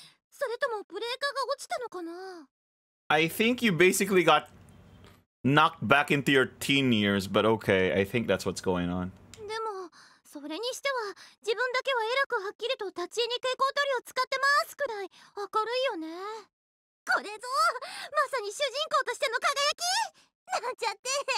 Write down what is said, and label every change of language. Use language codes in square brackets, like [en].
[ja] それともブレーカーが落ちたのかな? [en] I think you basically got knocked back into your teen years, but okay, I think that's what's going on. [ja] でも、それにしては、自分だけはえらくはっきりと立ち入り蛍光塗料を使ってますくらい明るいよね。これぞまさに主人公としての輝きなんちゃって